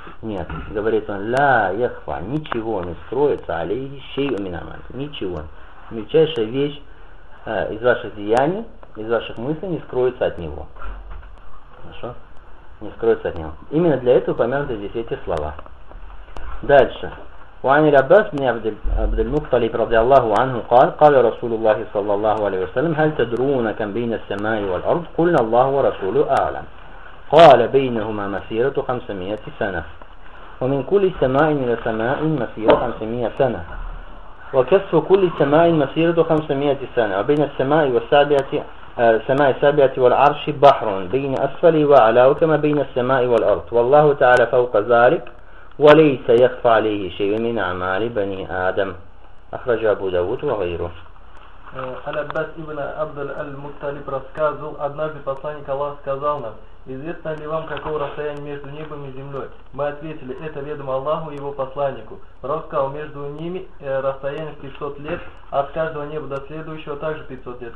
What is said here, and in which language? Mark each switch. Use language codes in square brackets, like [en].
[ru] Нет, говорит он, ля яхва, ничего не строится, али ищей уминамат, ничего. Мельчайшая вещь из ваших деяний, из ваших мыслей не скроется от него. Хорошо? Не скроется от него. Именно для этого упомянуты здесь эти слова. Дальше. [ar] وعني العباس بن عبد المطلب رضي الله عنه قال قال رسول الله صلى الله عليه وسلم هل تدرون كم بين السماء والأرض قلنا الله ورسوله أعلم قال بينهما مسيرة 500 سنة ومن كل سماء إلى سماء مسيرة 500 سنة وكسف كل سماء مسيرة 500 سنة وبين السماء والسابعة سماء السابعة والعرش بحر بين أسفل وأعلى وكما بين السماء والأرض والله تعالى فوق ذلك وليس يخفى عليه شيء من أعمال بني آدم أخرج أبو داود وغيره. [ru] Аль-Аббас ибн Абдул Аль-Мутталиб рассказывал, однажды посланник Аллаха сказал нам, известно ли вам, какого расстояния между небом и землей? Мы ответили, это ведомо Аллаху и его посланнику. Пророк сказал, между ними расстояние 500 лет, от каждого неба до следующего также 500 лет.